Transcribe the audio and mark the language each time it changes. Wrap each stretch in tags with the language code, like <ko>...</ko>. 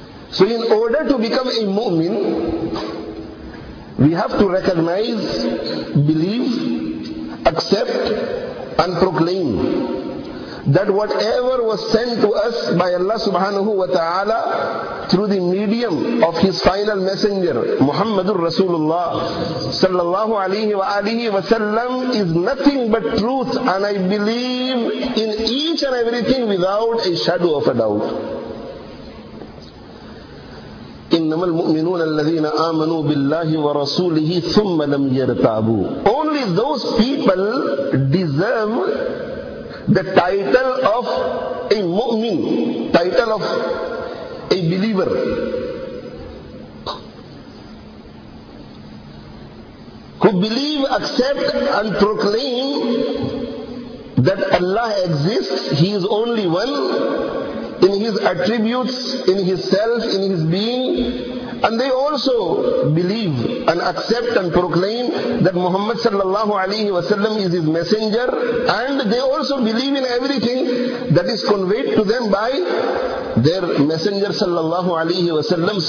<en>So in order to become a mu'min, we have to recognize, believe, accept, and proclaim that whatever was sent to us by Allah subhanahu wa ta'ala through the medium of His final messenger, Muhammadur Rasulullah sallallahu alayhi wa alihi wa sallam, is nothing but truth, and I believe in each and everything without a shadow of a doubt.</en> <ar>إنما المؤمنون الذين آمنوا بالله ورسوله ثم لم يرتابوا.</ar> <en>Only those people deserve the title of a mu'min, title of a believer. Who believe, accept and proclaim that Allah exists, He is only one, in His attributes, in His self, in His being, and they also believe and accept and proclaim that Muhammad sallallahu alaihi wasallam is His messenger, and they also believe in everything that is conveyed to them by their messenger sallallahu alaihi wasallam.</en>